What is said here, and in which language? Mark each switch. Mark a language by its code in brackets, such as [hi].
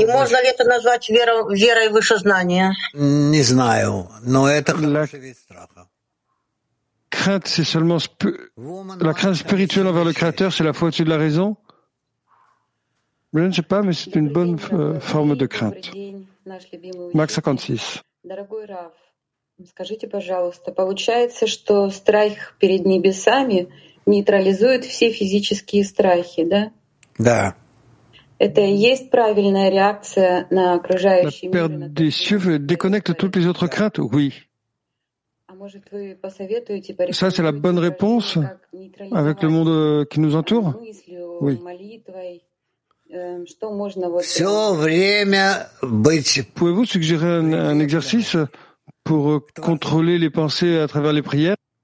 [ru] И можно ли это назвать верой выше знания? Не знаю, но это хороший вид страха. [fr] Crainte, c'est seulement la crainte spirituelle envers le Créateur, c'est la foi au-dessus de la raison? Je ne sais pas, mais c'est une bonne forme de crainte. Max 56. [ru] Дорогой Рав, скажите, пожалуйста, получается, что страх перед небесами нейтрализует все физические страхи, да? Да. Это и есть правильная реакция на окружающий мир. [fr] Déconnecte toutes les autres craintes? Oui. [ru] А может вы посоветуете [fr] Ça c'est la bonne réponse avec le monde qui nous entoure? Oui. [ru] Что можно вот Всё время быть [fr] Pouvez-vous suggérer un exercice pour contrôler les pensées à travers les prières?